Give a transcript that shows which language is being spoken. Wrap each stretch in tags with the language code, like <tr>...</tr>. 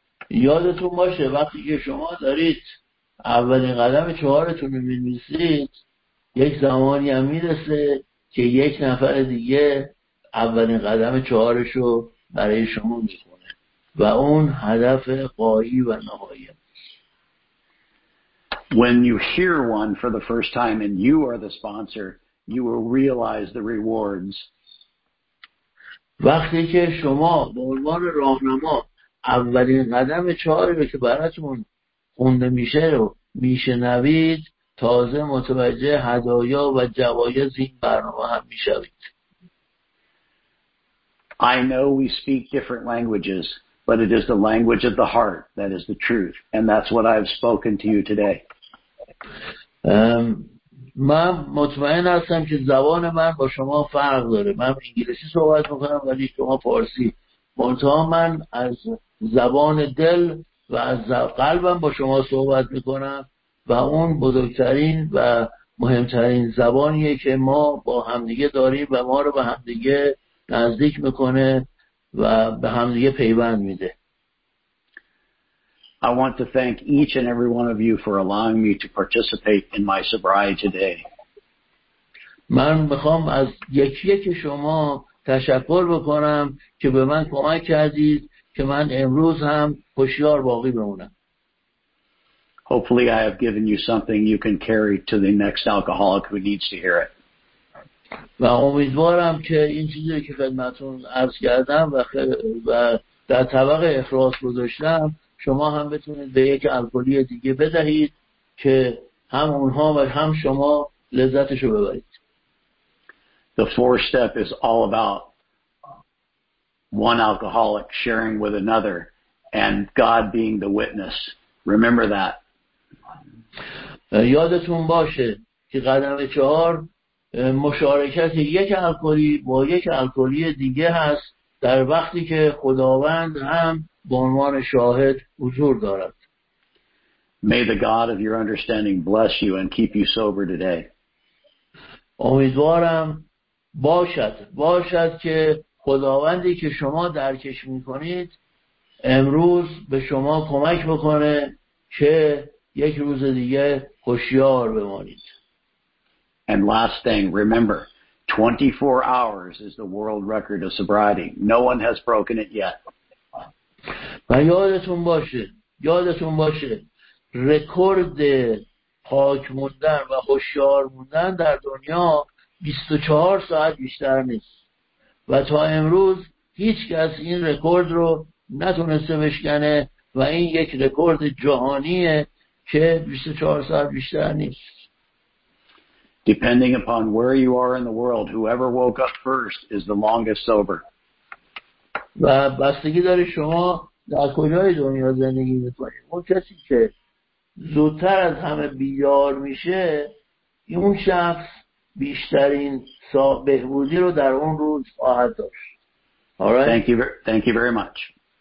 <fa>یادتون باشه وقتی که شما دارید اولین قدم چهارتون رو می‌نویسید، یک زمانی هم میرسه که یک نفر دیگه اولین قدم چهارش رو برای شما می‌خونه و اون هدف قایی و نهایی.</fa> <en>When you hear one for the first time and you are the sponsor, you will realize the rewards.</en> <fa>وقتی که شما به عنوان راهنما اولین قدم چهاری رو که براتون خونده میشه رو میشنوید، تازه متوجه هدایا و جوایز این برنامه هم میشوید.</fa> <en>I know we speak different languages, but it is the language of the heart that is the truth, and that's what I've spoken to you today.</en> <fa>من مطمئن هستم که زبان من با شما فرق داره. من انگلیسی صحبت میکنم ولی شما فارسی. منتها من از زبان دل و از قلبم با شما صحبت میکنم و اون بزرگترین و مهمترین زبانیه که ما با همدیگه داریم و ما رو به همدیگه نزدیک میکنه و به همدیگه پیوند میده.</fa> <en>I want to thank each and every one of you for allowing me to participate in my sobriety today.</en> <fa>من میخوام از یکی یکی شما تشکر بکنم که به من کمک کردید که من امروز هم هوشیار باقی بمونم.</fa> <en>Hopefully I have given you something you can carry to the next alcoholic who needs to hear it.</en> <fa>و امیدوارم که این چیزی که خدمتتون عرض کردم و در طبق اخلاص گذاشتم شما هم بتونید به یک الکلی دیگه بدهید که هم اونها و هم شما لذتشو ببرید.</fa> <en>The fourth step is all about one alcoholic sharing with another and God being the witness. Remember that.</en> <fa>یادتون باشه که قدم چهار مشارکت یک الکلی با یک الکلی دیگه هست در وقتی که خداوند هم به عنوان شاهد حضور دارد.</fa> <en>May the God of your understanding bless you and keep you sober today.</en> <fa>امیدوارم باشد که خداوندی که شما درکش میکنید امروز به شما کمک بکنه که یک روز دیگه هوشیار بمانید.</fa> <en>And last thing, remember, 24 hours is the world record of sobriety. No one has broken it yet.</en> <fa>و یادتون باشه رکورد پاک موندن و هوشیار موندن در دنیا 24 ساعت بیشتر نیست و تا امروز هیچ کس این رکورد رو نتونسته بشکنه و این یک رکورد جهانیه که 24 ساعت بیشتر نیست.</fa> <en>Depending upon where you are in the world, whoever woke up first is the longest sober.</en> <fa>و بستگی داره شما در کجای دنیا زندگی میکنید. اون کسی که زودتر از همه بیدار میشه، اون شخص بیشترین بهبودی رو در اون روز خواهد داشت.</fa> <en>Alright. Thank you very much.</en>